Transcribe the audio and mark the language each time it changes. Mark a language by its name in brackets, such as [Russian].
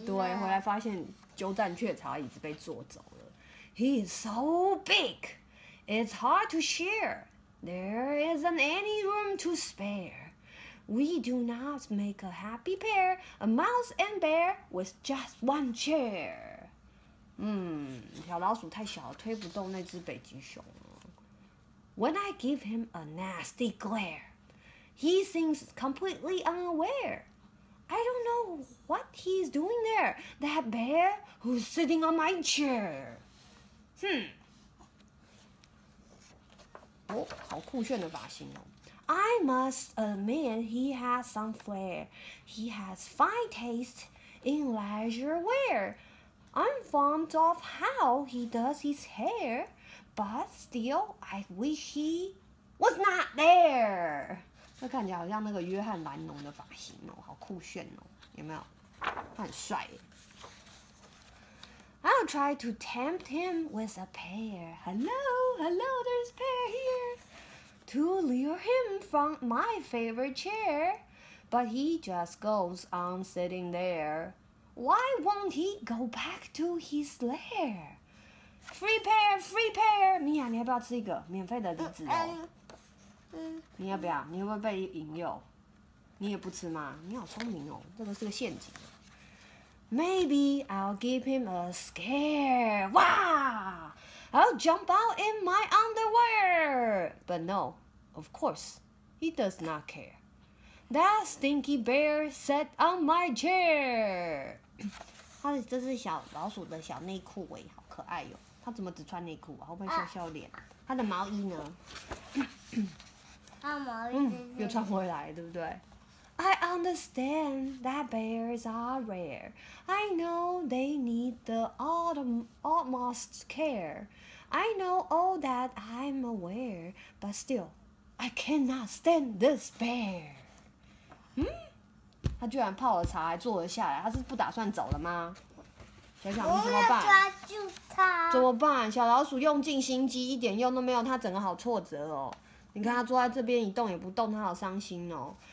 [Chinese] 对，回来发现鸠占鹊巢椅子被坐走了。 [English] He is so big, it's hard to share. There isn't any room to spare. We do not make a happy pair, a mouse and bear with just one chair. [Chinese] 小老鼠太小了，推不动那只北极熊了。 [English] When I give him a nasty glare. He seems completely unaware. I don't know what he's doing there. That bear who's sitting on my chair. [Chinese] 好酷炫的发型哦。 [English] I must admit he has some flair. He has fine taste in leisure wear. I'm fond of how he does his hair. But still, I wish he was not there. [Chinese] 那看起来好像那个约翰兰农的发型哦，好酷炫哦，有没有？他很帅耶。 [English] I'll try to tempt him with a pair. Hello, hello, there's a pair here. To lure him from my favorite chair. But he just goes on sitting there. Why won't he go back to his lair? Free pair, free pair. [Chinese] Mia, 你要不要吃一个免费的梨子哦？你要不要？你会不会被引诱？你也不吃吗？你好聪明哦，这个是个陷阱。 [English] Maybe I'll give him a scare. 哇 ！I'll jump out in my underwear. But no, of course, he does not care. That stinky bear sat on my chair. [Chinese] 他这是小老鼠的小内裤哎，好可爱哟、哦！他怎么只穿内裤啊？后面笑笑脸。他的毛衣呢？又穿回来，对不对 [English] ？I understand that bears are rare. I know they need the utmost care. I know all that I'm aware, but still, I cannot stand this bear. [Chinese] 他居然泡了茶还坐了下来，他是不打算走了吗？小小你怎么办？我要抓住他。怎么办？小老鼠用尽心机，一点用都没有，他整个好挫折哦。你看他坐在这边一动也不动，他好伤心哦。